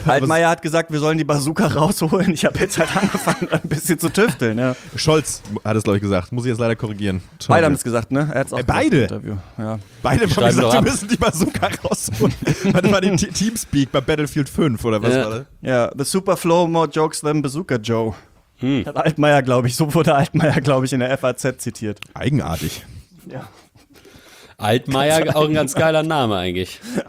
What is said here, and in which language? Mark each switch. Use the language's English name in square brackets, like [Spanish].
[German] Altmaier hat gesagt, wir sollen die Bazooka rausholen. Ich habe jetzt halt angefangen, ein bisschen zu tüfteln. Ja. Scholz hat es, glaube ich, gesagt. Muss ich jetzt leider korrigieren. Toll. Beide haben es gesagt, ne? Er hat es auch beide gesagt im Interview. Ja. Beide haben gesagt, wir müssen die Bazooka rausholen. Warte mal, den Teamspeak bei Battlefield 5 oder was war das? [English] Ja, the Super Flow, more jokes than Bazooka Joe. Hm. [German] Altmaier, glaube ich, so wurde Altmaier, glaube ich, in der FAZ zitiert. Eigenartig. Ja. Altmaier, auch ein ganz geiler Name eigentlich.